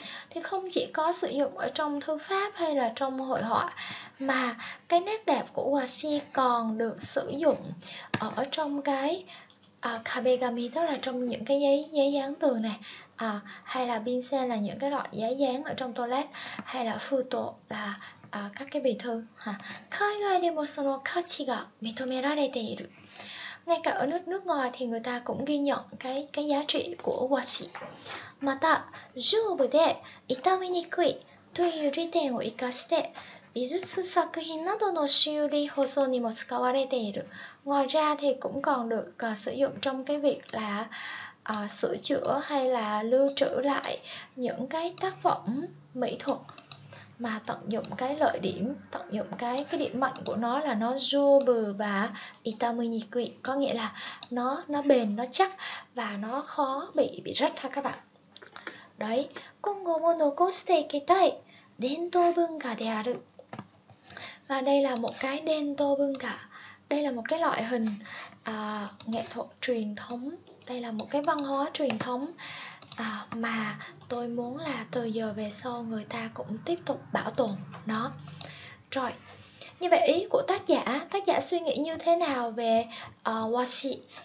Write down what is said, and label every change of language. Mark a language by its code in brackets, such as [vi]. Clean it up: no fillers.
[vi] Thì không chỉ có sử dụng ở trong thư pháp hay là trong hội họa mà cái nét đẹp của washi còn được sử dụng ở trong cái kabegami, tức là trong những cái giấy dán tường này, hay là binsen là những cái loại giấy dán ở trong toilet, hay là futo là các cái bì thư ha. [ja] Kaigai demo sono kachi ga mitomerarete iru. [vi] Ngay cả ở nước ngoài thì người ta cũng ghi nhận cái giá trị của washi. [ja] Mata, jūbu de itami nikui という利点を生かして美術作品などの修理保存にも使われている。 [vi] Ngoài ra thì cũng còn được sử dụng trong cái việc là sửa chữa hay là lưu trữ lại những cái tác phẩm mỹ thuật mà tận dụng cái lợi điểm, tận dụng cái điểm mạnh của nó là nó jūbu và itami nikui, có nghĩa là nó bền, nó chắc và nó khó bị rách ha các bạn. Đấy, [ja] 今後も残していきたい伝統文化である. [vi] Và đây là một cái dento bunka. Đây là một cái loại hình nghệ thuật truyền thống. Đây là một cái văn hóa truyền thống mà tôi muốn là từ giờ về sau người ta cũng tiếp tục bảo tồn nó. Rồi, như vậy ý của tác giả suy nghĩ như thế nào về washi?